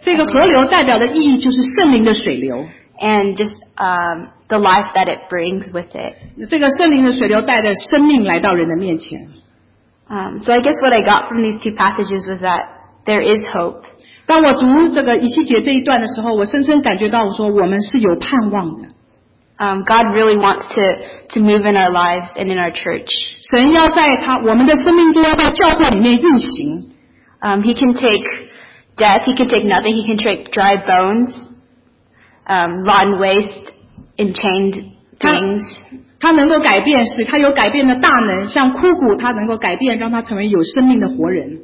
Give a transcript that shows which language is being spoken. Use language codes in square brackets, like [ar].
[zh] 这个河流代表的意义就是圣灵的水流。 [en] And just the life that it brings with it. [zh] 这个圣灵的水流带着生命来到人的面前。 [en] So I guess what I got from these two passages was that. There is hope. [zh] 当我读这个以西结这一段的时候，我深深感觉到，我说我们是有盼望的。 [en] God really wants to move in our lives and in our church. [zh] 神要在我们的生命中，要在教会里面运行。 [en] He can take death. He can take nothing. He can take dry bones, rotten waste, enchained things. [zh] 他能够改变，使他有改变的大能，像枯骨，他能够改变，让他成为有生命的活人。